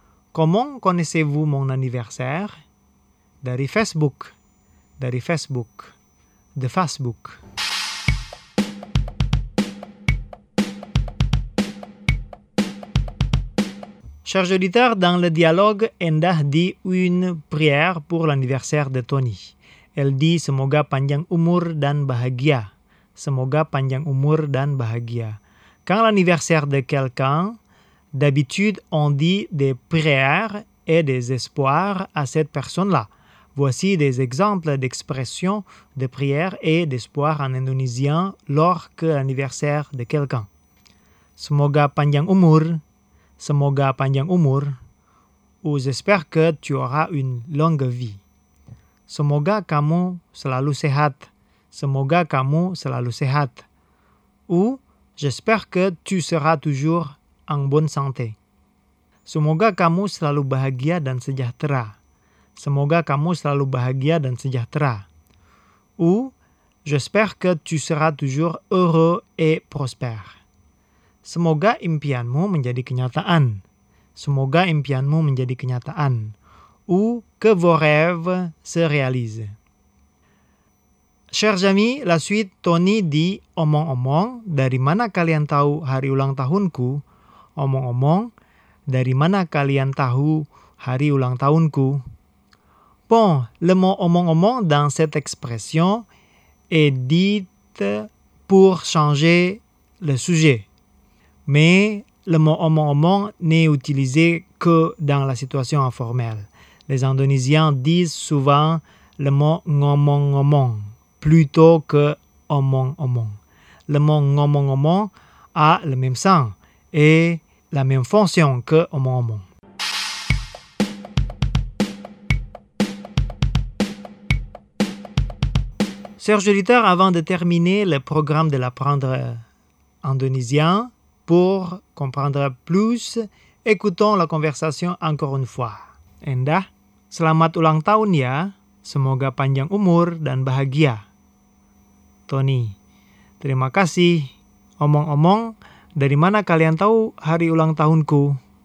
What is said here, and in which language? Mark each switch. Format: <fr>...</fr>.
<fr>Comment connaissez-vous mon anniversaire?</fr> <id>Dari Facebook. Dari Facebook.</id> <fr>De Facebook. Chers auditeurs, dans le dialogue, Endah dit une prière pour l'anniversaire de Tony. Elle dit</fr> <id>« Semoga panjang umur dan bahagia ».« Semoga panjang umur dan bahagia ».</id> <fr>Quand l'anniversaire de quelqu'un, d'habitude, on dit des prières et des espoirs à cette personne-là. Voici des exemples d'expressions de prière et d'espoir en indonésien lorsque l'anniversaire de quelqu'un.</fr> <id>Semoga panjang umur. Semoga panjang umur.</id> <fr>Ou j'espère que tu auras une longue vie.</fr> <id>Semoga kamu selalu sehat. Semoga kamu selalu sehat.</id> <fr>Ou j'espère que tu seras toujours en bonne santé.</fr> <id>Semoga kamu selalu bahagia dan sejahtera. Semoga kamu selalu bahagia dan sejahtera.</id> <fr>Ou, j'espère que tu seras toujours heureux et prospère.</fr> <id>Semoga impianmu menjadi kenyataan. Semoga impianmu menjadi kenyataan.</id> <fr>Ou, que vos rêves se réalisent. Chers amis, la suite Tony dit</fr> <id>omong-omong, dari mana kalian tahu hari ulang tahunku? Omong-omong, dari mana kalian tahu hari ulang tahunku?</id> <fr>Bon, le mot omong-omong dans cette expression est dit pour changer le sujet. Mais le mot omong-omong n'est utilisé que dans la situation informelle. Les Indonésiens disent souvent le mot ngomong-omong plutôt que omong-omong. Le mot ngomong-omong a le même sens et la même fonction que omong-omong. « Serge Litter, avant de terminer le programme de l'apprendre indonésien, pour comprendre plus, écoutons la conversation encore une fois.</fr> <id>Endah, selamat ulang tahun ya. Semoga panjang umur dan bahagia. Tony, terima kasih. Omong-omong, dari mana kalian tahu hari ulang tahunku?</id>